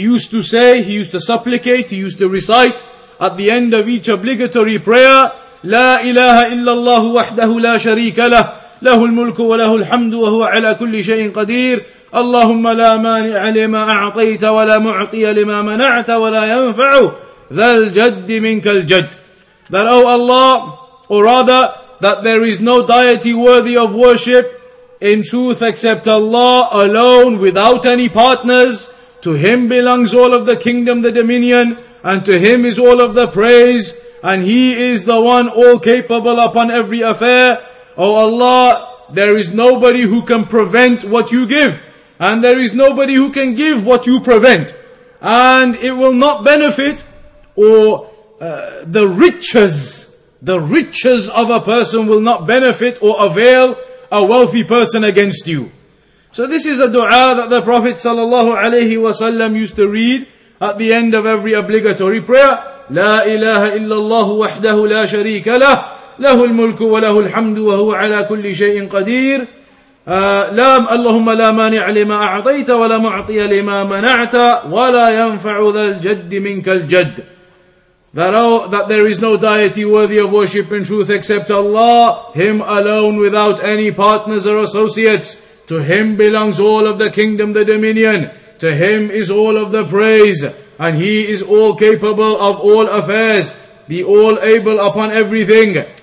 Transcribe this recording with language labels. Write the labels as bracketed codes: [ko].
[en] He used to recite at the end of each obligatory prayer, [ar] لا إله إلا الله وحده لا شريك له له الملك وله الحمد وهو على كل شيء قدير اللهم لا مانع لما أعطيت ولا معطي لما منعت ولا ينفع ذا الجد منك الجد. [en] That, oh Allah, or rather, that there is no deity worthy of worship in truth except Allah alone, without any partners. To Him belongs all of the kingdom, the dominion, and to Him is all of the praise, and He is the one all capable upon every affair. O Allah, there is nobody who can prevent what You give, and there is nobody who can give what You prevent. And it will not benefit, or the riches of a person will not benefit or avail a wealthy person against you. So this is a dua that the Prophet sallallahu alaihi wasallam used to read at the end of every obligatory prayer. [ar] لا إله إلا الله وحده لا شريك له له الملك وله الحمد وهو على كل شيء قدير لا اللهم لا مانع لما أعطيت ولا معطي لما منعت ولا ينفع ذا الجد منك الجد. [en] That there is no deity worthy of worship in truth except Allah, Him alone without any partners or associates. To Him belongs all of the kingdom, the dominion. To Him is all of the praise. And He is all capable of all affairs, the all able upon everything.